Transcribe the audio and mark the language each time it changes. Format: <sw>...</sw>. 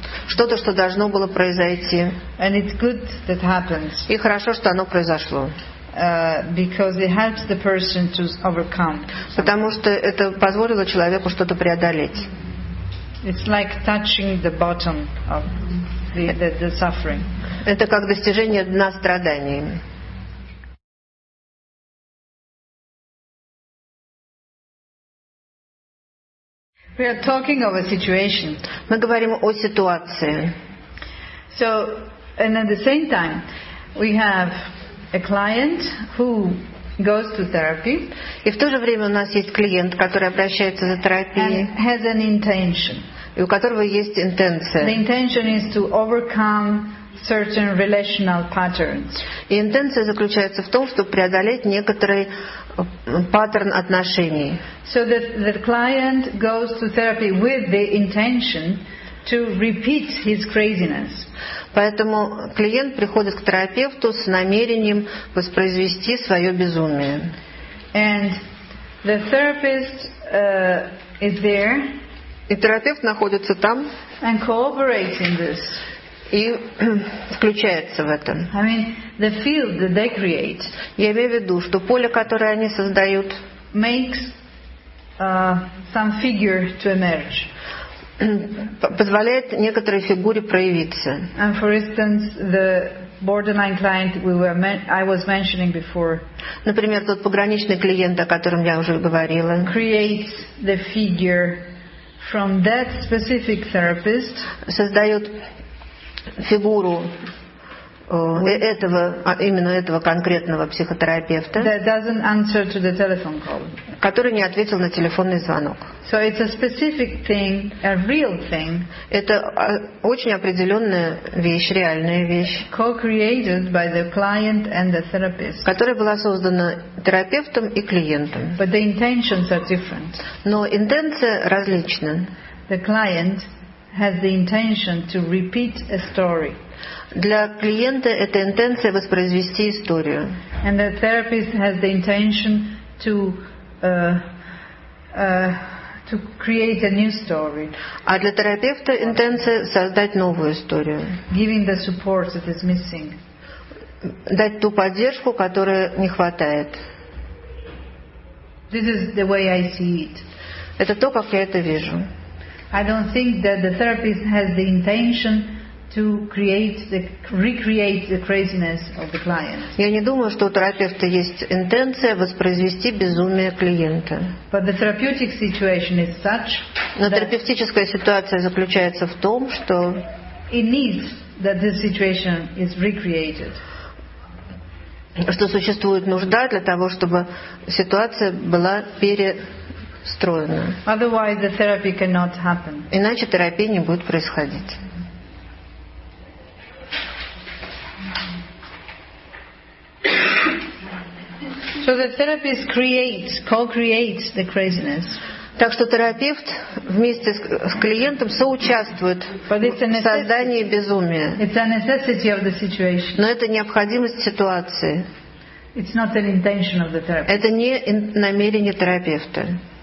<ru>Что-то, что должно было произойти.</ru> <en>And it's good that happens.</en> <ru>И хорошо, что оно произошло.</ru> <en>Because it helps the person to overcome.</en> <ru>Потому что это позволило человеку что-то преодолеть.</ru> <en>It's like touching the bottom of the suffering.</en> <ru>Это как достижение дна страданий.</ru> <en>We are talking of a situation.</en> <ru>Мы говорим о ситуации.</ru> <en>So, and at the same time, we have a client who goes to therapy.</en> <ru>И в то же время у нас есть клиент, который обращается за терапией.</ru> <en>And has an intention.</en> <ru>И у которого есть интенция.</ru> <en>The intention is to overcome certain relational patterns.</en> <ru>И интенция заключается в том, чтобы преодолеть некоторые паттерн отношений.</ru> <en>So the client goes to therapy with the intention to repeat his craziness.</en> <ru>Поэтому клиент приходит к терапевту с намерением воспроизвести свое безумие.</ru> <en>And the therapist is there.</en> <ru>И терапевт находится там.</ru> <en>And cooperating this.</en> <ru>И включается в это.</ru> <en>I mean, the field that they create.</en> <ru>Я имею в виду, что поле, которое они создают,</ru> <en>makes some figure to emerge.</en> <ru>Позволяет некоторой фигуре проявиться.</ru> <en>And for instance, the borderline client I was mentioning before.</en> <ru>Например, тот пограничный клиент, о котором я уже говорила,</ru> <en>creates the figure from that specific therapist.</en> <ru>Создает фигуру этого, именно этого конкретного психотерапевта,</ru> <en>that doesn't answer to the telephone call.</en> <ru>Который не ответил на телефонный звонок.</ru> <en>So it's a specific thing, a real thing.</en> <ru>Это очень определенная вещь, реальная вещь,</ru> <en>co-created by the client and the therapist.</en> <ru>Которая была создана терапевтом и клиентом.</ru> <en>But the intentions are different.</en> <ru>Но интенция различна.</ru> <en>The client has the intention to repeat a story.</en> <ru>Для клиента это интенция воспроизвести историю.</ru> <en>And the therapist has the intention to create a new story.</en> <ru>А для терапевта интенция создать новую историю.</ru> <en>Giving the support that is missing.</en> <ru>Дать ту поддержку, которой не хватает.</ru> <en>This is the way I see it.</en> <ru>Это то, как я это вижу.</ru> <en>I don't think that the therapist has the intention to recreate the craziness of the client.</en> <ru>Я не думаю, что у терапевта есть интенция воспроизвести безумие клиента.</ru> <en>But the therapeutic situation is such.</en> <ru>Но терапевтическая ситуация заключается в том, что</ru> <en>it needs that this situation is recreated.</en> <ru>Что существует нужда для того, чтобы ситуация была перестроена.</ru> <en>Otherwise the therapy cannot happen.</en> <ru>Иначе терапия не будет происходить.</ru> <en>So the therapist creates, co-creates the craziness.</en> <ru>Так что терапевт вместе с клиентом соучаствует в создании безумия.</ru> <en>It's a necessity of the situation.</en> <ru>Но это необходимость ситуации.</ru> <en>It's not an intention of the therapist.</en> <ru>Это не намерение терапевта.</ru>